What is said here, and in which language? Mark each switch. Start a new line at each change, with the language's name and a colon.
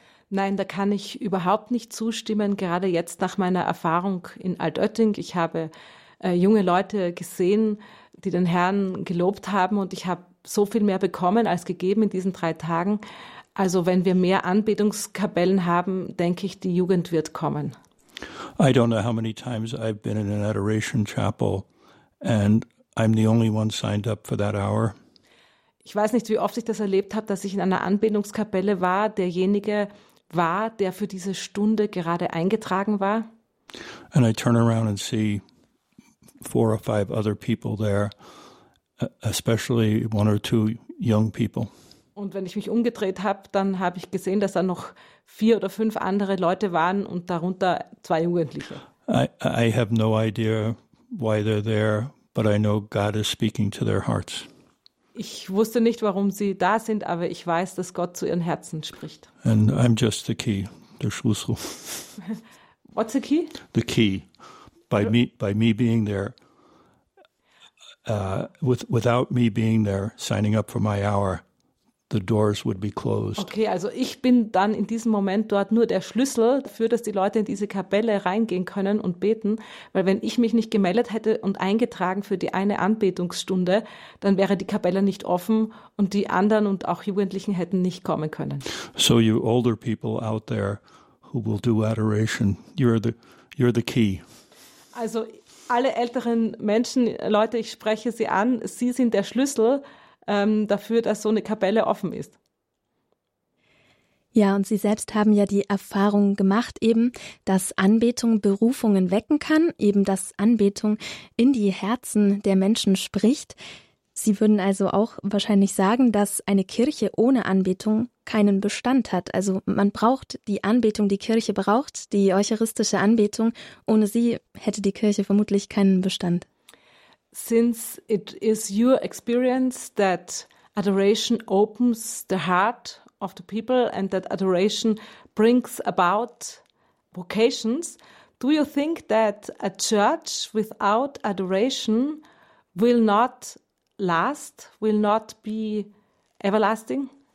German: Nein, da kann ich überhaupt nicht zustimmen, gerade jetzt nach meiner Erfahrung in Altötting. Ich habe junge Leute gesehen, die den Herrn gelobt haben, und ich habe so viel mehr bekommen als gegeben in diesen 3 Tagen. Also wenn wir mehr Anbetungskapellen haben, denke ich, die Jugend wird kommen.
English: I don't know how many times I've been in an adoration chapel and I'm the only one signed up for that hour.
German: Ich weiß nicht, wie oft ich das erlebt habe, dass ich in einer Anbetungskapelle war, derjenige war, der für diese Stunde gerade eingetragen war.
English: And I turn around and see 4 or 5 other people there, especially 1 or 2 young people.
German: Und wenn ich mich umgedreht habe, dann habe ich gesehen, dass da noch 4 oder 5 andere Leute waren und darunter 2 Jugendliche.
English: I have no idea why they're there, but I know God is speaking to their hearts.
German: Ich wusste nicht, warum sie da sind, aber ich weiß, dass Gott zu ihren Herzen spricht.
English: And I'm just the key,
German: der Schlüssel.
English: What's the key? The key. By me being there, without me being there, signing up for my hour, the doors would be closed.
German: Okay, also ich bin dann in diesem Moment dort nur der Schlüssel dafür, dass die Leute in diese Kapelle reingehen können und beten, weil wenn ich mich nicht gemeldet hätte und eingetragen für die eine Anbetungsstunde, dann wäre die Kapelle nicht offen und die anderen und auch Jugendlichen hätten nicht kommen können.
English: So you older people out there who will do adoration, you're the key.
German: Also alle älteren Menschen, Leute, ich spreche sie an, sie sind der Schlüssel dafür, dass so eine Kapelle offen ist. Ja, und Sie selbst haben ja die Erfahrung gemacht eben, dass Anbetung Berufungen wecken kann, eben dass Anbetung in die Herzen der Menschen spricht. Sie würden also auch wahrscheinlich sagen, dass eine Kirche ohne Anbetung keinen Bestand hat. Also man braucht die Anbetung, die Kirche braucht die eucharistische Anbetung. Ohne sie hätte die Kirche vermutlich keinen Bestand.
English: Since it is your experience that adoration opens the heart of the people and that adoration brings about vocations, do you think that a church without adoration will not last, will not be everlasting?